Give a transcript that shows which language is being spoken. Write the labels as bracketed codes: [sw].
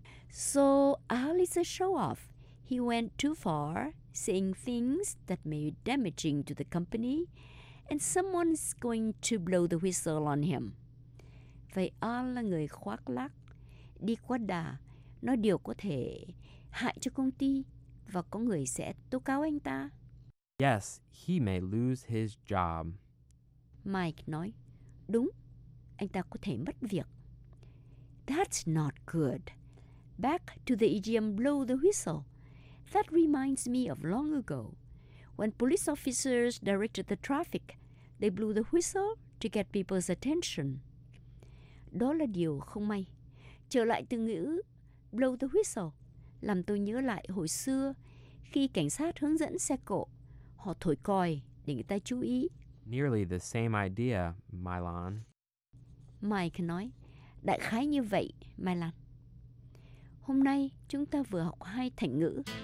[en] So, Al is a show-off. He went too far, saying things that may be damaging to the company, and someone's going to blow the whistle on him. [vi] Vậy Al là người khoác lác, đi quá đà, nói điều có thể hại cho công ty, và có người sẽ tố cáo anh ta. [en] Yes, he may lose his job. [vi] Mike nói, đúng, anh ta có thể mất việc. [en] That's not good. Back to the idiom blow the whistle. That reminds me of long ago. When police officers directed the traffic, they blew the whistle to get people's attention. [vi] Đó là điều không may. Trở lại từ ngữ [en] blow the whistle [vi] làm tôi nhớ lại hồi xưa khi cảnh sát hướng dẫn xe cộ. Họ thổi còi để người ta chú ý. [en] Nearly the same idea, Mylon. [vi] Mike nói, đại khái như vậy, Mylon. Hôm nay chúng ta vừa học hai thành ngữ.